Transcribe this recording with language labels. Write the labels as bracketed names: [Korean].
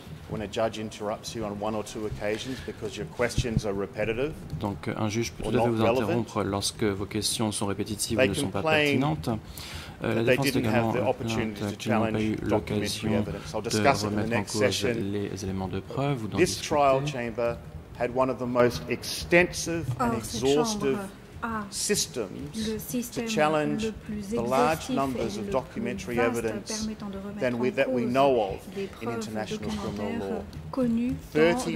[English] When a judge interrupts you on one or two occasions because your questions are repetitive, [French] donc un juge peut tout à fait vous interrompre lorsque vos questions sont répétitives ou ne sont pas pertinentes. La défense est également plainte qu'ils n'ont pas eu l'occasion de remettre en cause les éléments de preuve ou d'en discuter. [English] This trial chamber had one of the most extensive and exhaustive systems to challenge the large numbers of documentary evidence than that we know of in international criminal law. 30